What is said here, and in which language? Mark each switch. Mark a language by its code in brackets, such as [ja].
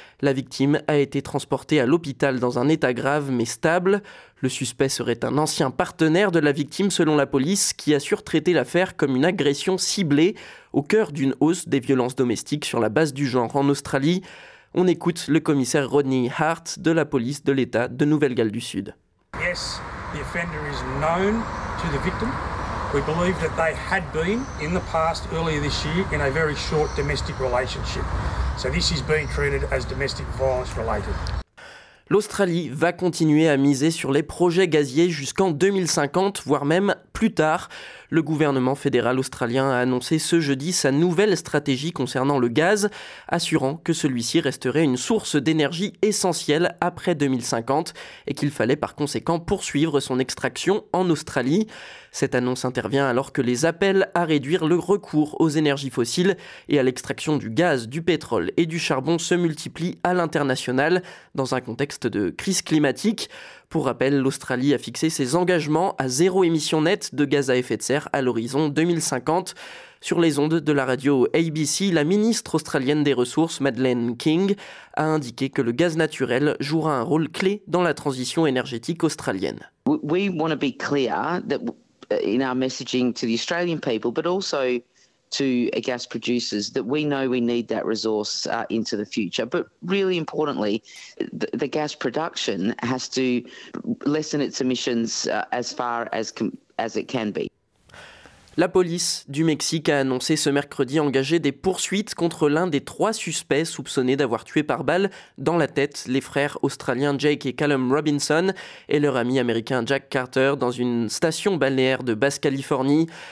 [fr] La victime a été transportée à l'hôpital dans un état grave mais stable. Le suspect serait un ancien partenaire de la victime selon la police qui assure traiter l'affaire comme une agression ciblée au cœur d'une hausse des violences domestiques sur la base du genre en Australie. On écoute le commissaire Rodney Hart de la police de l'état de Nouvelle-Galles du Sud. [en] Yes, the offender is known to the victim. We believe that they had been in the past earlier this year in a very short domestic relationship. So this is being treated as domestic violence related. [fr] L'Australie va continuer à miser sur les projets gaziers jusqu'en 2050, voire même plus tard. Le gouvernement fédéral australien a annoncé ce jeudi sa nouvelle stratégie concernant le gaz, assurant que celui-ci resterait une source d'énergie essentielle après 2050 et qu'il fallait par conséquent poursuivre son extraction en Australie. Cette annonce intervient alors que les appels à réduire le recours aux énergies fossiles et à l'extraction du gaz, du pétrole et du charbon se multiplient à l'international dans un contexte de crise climatique. Pour rappel, l'Australie a fixé ses engagements à zéro émission nette de gaz à effet de serre à l'horizon 2050. Sur les ondes de la radio ABC, la ministre australienne des ressources, Madeleine King, a indiqué que le gaz naturel jouera un rôle clé dans la transition énergétique australienne. [en] We want to be clear that in our messaging to the Australian people, but also to gas producers, that we know we need that resource into the future. But really importantly, the gas production has to lessen its emissions as far as it can be. [fr] La police du Mexique a annoncé ce mercredi engager des poursuites contre l'un des trois suspects soupçonnés d'avoir tué par balle dans la tête les frères australiens Jake et Callum Robinson et leur ami américain Jack Carter dans une station balnéaire de Basse-Californie.